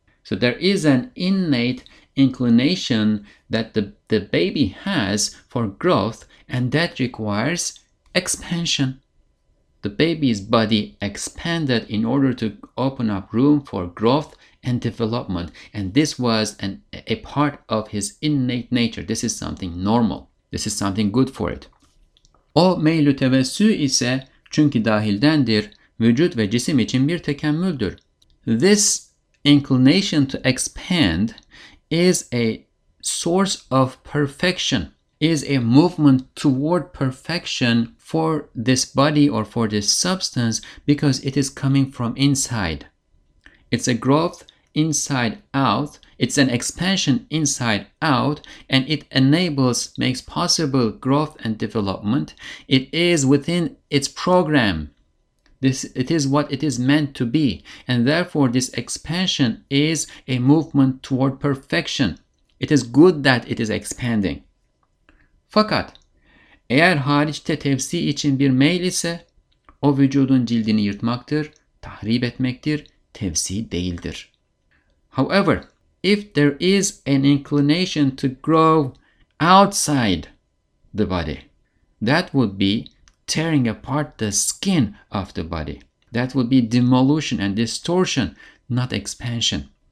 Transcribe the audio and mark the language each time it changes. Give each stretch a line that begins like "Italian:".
English: So there is an innate inclination that the baby has for growth, and that requires expansion. the baby's body expanded in order to open up room for growth and development. And this was a part of his innate nature. This is something normal. This is something good for it.
Turkish: O meylü tevessü ise çünkü dahildendir, vücut ve cisim için bir tekemmüldür.
English: This inclination to expand is a source of perfection, is a movement toward perfection for this body or for this substance because it is coming from inside. It's a growth inside out, it's an expansion inside out, and it enables, makes possible growth and development. It is within its program. This, it is what it is meant to be. And therefore, this expansion is a movement toward perfection. It is good that it is expanding.
Turkish: Fakat, eğer hariçte tevsi için bir meyil ise, o vücudun cildini yırtmaktır, tahrip etmektir, tevsi değildir.
English: However, if there is an inclination to grow outside the body, that would be tearing apart the skin of the body. That would be demolition and distortion, not expansion.